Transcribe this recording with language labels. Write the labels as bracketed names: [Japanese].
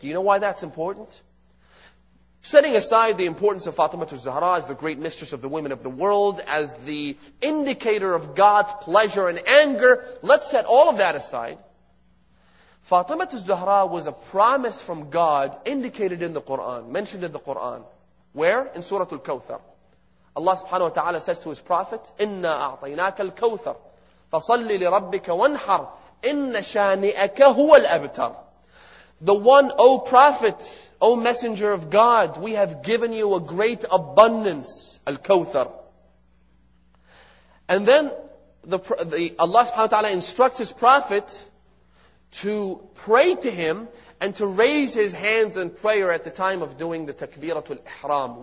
[English] Do you know why that's important? Setting aside the importance of Fatima al-Zahra as the great mistress of the women of the world, as the indicator of God's pleasure and anger, let's set all of that aside. Fatima al-Zahra was a promise from God indicated in the Qur'an, mentioned in the Qur'an. Where? In Surah Al-Kawthar. Allah subhanahu wa ta'ala says to His Prophet, [Arabic] إِنَّا أَعْطَيْنَاكَ الْكَوْثَرَ فَصَلِّ لِرَبِّكَ وَانْحَرْ إِنَّ شَانِئَكَ هُوَ الْأَبْتَرَ. [English] The one, O Prophet, O Messenger of God, we have given you a great abundance, Al-Kawthar. And then Allah subhanahu wa ta'ala instructs His Prophet to pray to Him and to raise his hands in prayer at the time of doing the Takbiratul Ihram.